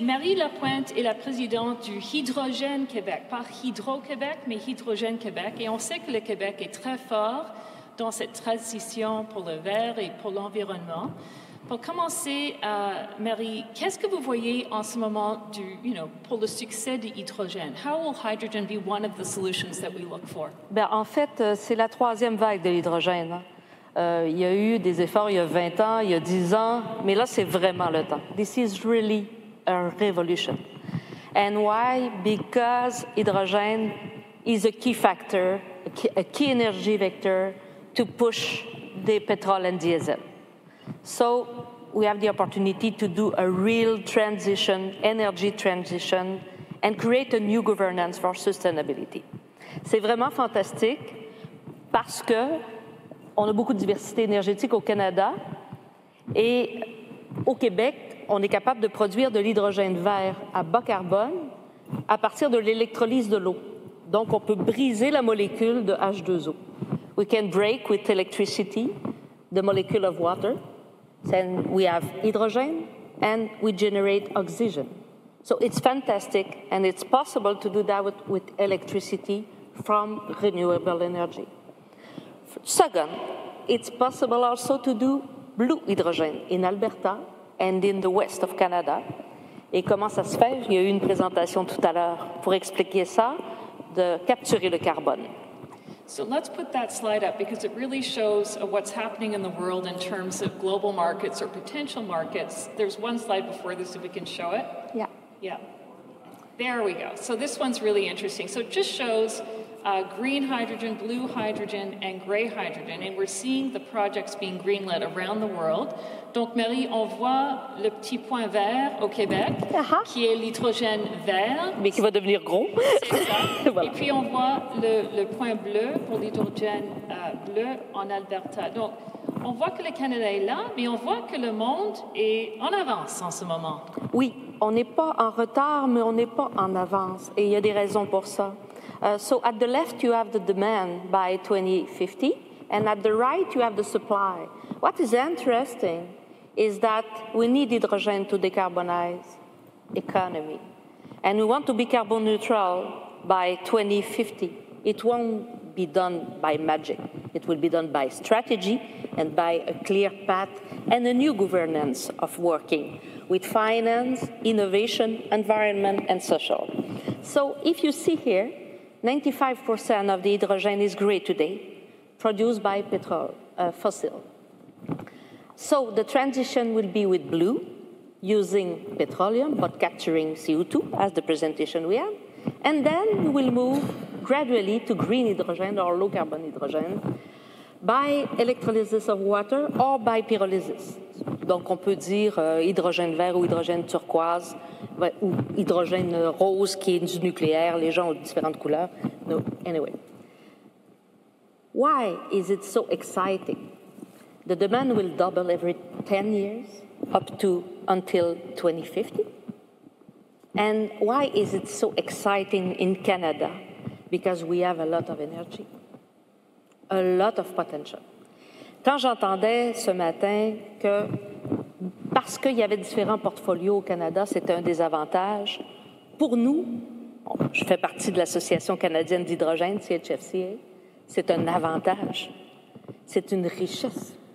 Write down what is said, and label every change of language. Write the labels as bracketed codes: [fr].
[fr] Marie Lapointe est la présidente du Hydrogène Québec. Pas Hydro-Québec, mais Hydrogène Québec. Et on sait que le Québec est très fort dans cette transition pour le vert et pour l'environnement. Pour commencer, Marie, qu'est-ce que vous voyez en ce moment pour le succès de l'hydrogène? [en] How will hydrogen be one of the solutions that we look for? [fr] Ben, en fait, c'est la troisième vague de l'hydrogène. Il y a eu des efforts il y a 20 ans, il y a 10 ans, mais là, c'est vraiment le temps. [en] This is really a revolution. And why? Because hydrogen is a key factor, a key energy vector to push the petrol and diesel. So we have the opportunity to do a real transition, energy transition, and create a new governance for sustainability. [fr] C'est vraiment fantastique parce que on a beaucoup de diversité énergétique au Canada et au Québec, on est capable de produire de l'hydrogène vert à bas carbone à partir de l'électrolyse de l'eau. Donc, on peut briser la molécule de H2O. [en] We can break with electricity the molecule of water. Then we have hydrogen and we generate oxygen. So it's fantastic and it's possible to do that with electricity from renewable energy. Second, it's possible also to do blue hydrogen in Alberta and in the west of Canada. [fr] Et comment ça se fait? Il y a eu une présentation tout à l'heure pour expliquer ça, de capturer le carbone. [en] So let's put that slide up because it really shows what's happening in the world in terms of global markets or potential markets. There's one slide before this, if we can show it. Yeah. Yeah. There we go. So this one's really interesting. So it just shows green hydrogen, blue hydrogen, and gray hydrogen. And we're seeing the projects being greenlit around the world. [fr] Donc, Marie, on voit le petit point vert au Québec, uh-huh. qui est l'hydrogène vert. Mais qui va devenir gros. C'est ça. Voilà. Et puis, on voit le point bleu pour l'hydrogène bleu en Alberta. Donc, on voit que le Canada est là, mais on voit que le monde est en avance en ce moment. Oui. On n'est pas en retard, mais on n'est pas en avance. Et il y a des raisons pour ça. [en] So at the left, you have the demand by 2050. And at the right, you have the supply. What is interesting is that we need hydrogen to decarbonize economy. And we want to be carbon neutral by 2050. It won't be done by magic. It will be done by strategy and by a clear path and a new governance of working with finance, innovation, environment, and social. So if you see here, 95% of the hydrogen is gray today, produced by petrol, fossil. So the transition will be with blue, using petroleum, but capturing CO2, as the presentation we have. And then we will move gradually to green hydrogen or low carbon hydrogen by electrolysis of water or by pyrolysis. [fr] Donc, on peut dire hydrogène vert ou hydrogène turquoise ou hydrogène rose qui est du nucléaire. Les gens ont différentes couleurs. [en] No, anyway. Why is it so exciting? The demand will double every 10 years up to until 2050. And why is it so exciting in Canada? Because we have a lot of energy, a lot of potential. [fr] Quand j'entendais ce matin que parce qu'il y avait différents portfolios au Canada, c'était un désavantage. Pour nous, bon, je fais partie de l'Association canadienne d'hydrogène, CHFCA, c'est un avantage, c'est une richesse.